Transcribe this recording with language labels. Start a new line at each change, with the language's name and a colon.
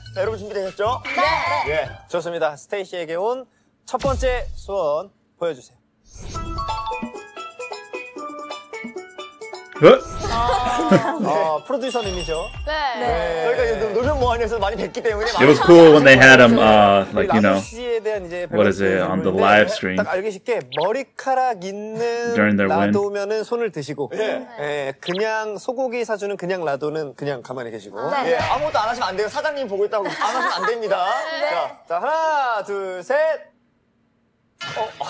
Korean: 자, 여러분 준비되셨죠? 네! 예, 좋습니다. 스테이씨에게 온 첫 번째 소원 보여주세요. 어? 아, 네. 아, 프로듀서님이죠? 네. 네. 저희가 요즘 노련모아니에서 많이 뵙기 때문에.
English: It was cool when they had him, like, you know. What is it, on the live stream.
Korean: 딱 알기 쉽게, 머리카락 있는 놔두면은 손을 드시고, 네. 네. 그냥 소고기 사주는 그냥 놔두는 그냥 가만히 계시고. 네. 네. 아무것도 안 하시면 안 돼요. 사장님 보고 있다고 안 하시면 안 됩니다. 네. 자, 자, 하나, 둘, 셋. 어?